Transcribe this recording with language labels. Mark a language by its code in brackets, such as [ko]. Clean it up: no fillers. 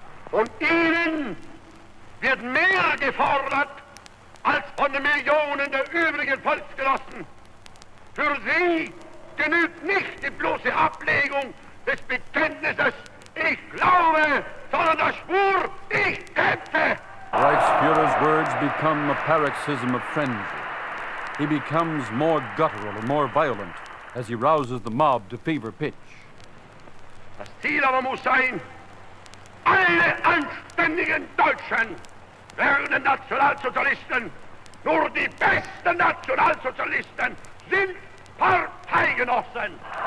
[de] Und ihnen wird mehr gefordert als von den Millionen der übrigen Volksgenossen. Für sie genügt nicht die bloße Ablegung des Bekenntnisses "Ich glaube", sondern der Schwur "Ich kämpfe". [en] Reichsführer's words become a paroxysm of frenzy. He becomes more guttural and more violent as he rouses the mob to fever pitch. [de] Das Ziel aber muss sein, alle anständigen Deutschen werden Nationalsozialisten. Nur die besten Nationalsozialisten sind Parteigenossen.